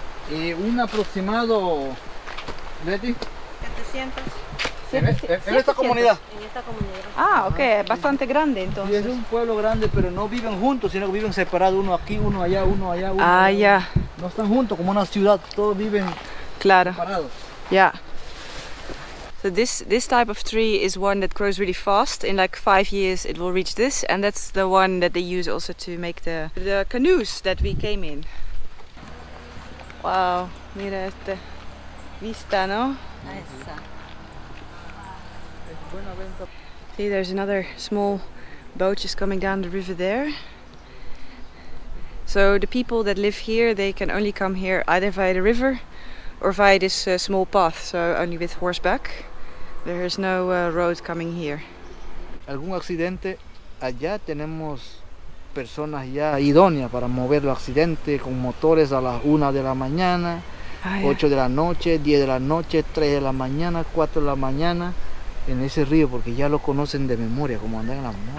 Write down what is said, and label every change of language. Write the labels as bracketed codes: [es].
[es] Un aproximado... ¿Betty? 700. En esta comunidad. Ah, ok, bastante grande entonces. Y es un pueblo grande, pero no viven juntos, sino que viven separados, uno aquí, uno allá, uno allá. Uno ah, allá. Ya. No están juntos, como una ciudad, todos viven claro. Separados. [en] Yeah. So this type of tree is one that grows really fast. In like 5 years, it will reach this, and that's the one that they use also to make the canoes that we came in. [es] Wow, mira esta vista, ¿no? Esa. [en] See, there's another small boat just coming down the river there. So the people that live here, they can only come here either via the river or via this small path, so only with horseback. There is no road coming here. [es] Algún accidente, allá tenemos personas ya idóneas para mover los accidentes con motores a las 1 de la mañana, 8 de la noche, 10 de la noche, 3 de la mañana, 4 de la mañana. En ese río, porque ya lo conocen de memoria, como andan en la moto.